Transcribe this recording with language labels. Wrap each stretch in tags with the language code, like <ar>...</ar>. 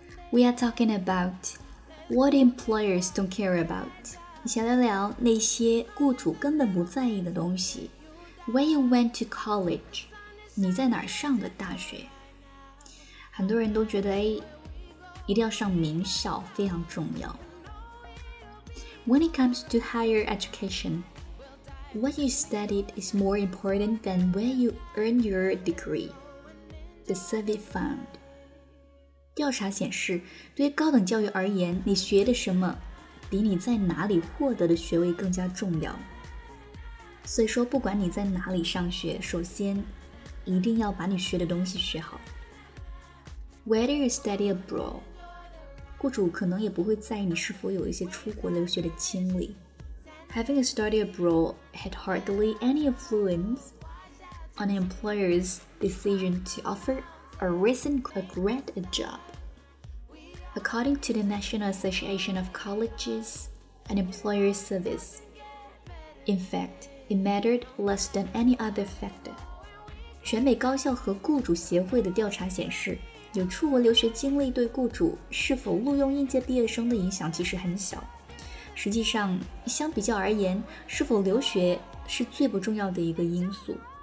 <en>We are talking about what employers don't care about，</en> <zh>一起聊聊那些雇主根本不在意的东西。</zh> <en>When you went to college，</en> <zh>你在哪儿上的大学。很多人都觉得，哎，一定要上名校非常重要。</zh> <en>When it comes to higher education, what you studied is more important than where you earn your degree, the survey found.</en> <zh>调查显示，对于高等教育而言，你学的什么比你在哪里获得的学位更加重要。所以说，不管你在哪里上学，首先一定要把你学的东西学好。</zh> <en>Whether you study abroad,</en> <zh>雇主可能也不会在意你是否有一些出国留学的经历。</zh> <en>Having a study abroad had hardly any influence on an employer's decision to offer a recent grad a job. According to the National Association of Colleges and Employers Service, in fact, it mattered less than any other factor.</en> <zh>全美高校和雇主协会的调查显示，有出国留学经历对雇主是否录用应届毕业生的影响其实很小。实际上，相比较而言，是否留学是最不重要的一个因素。</zh>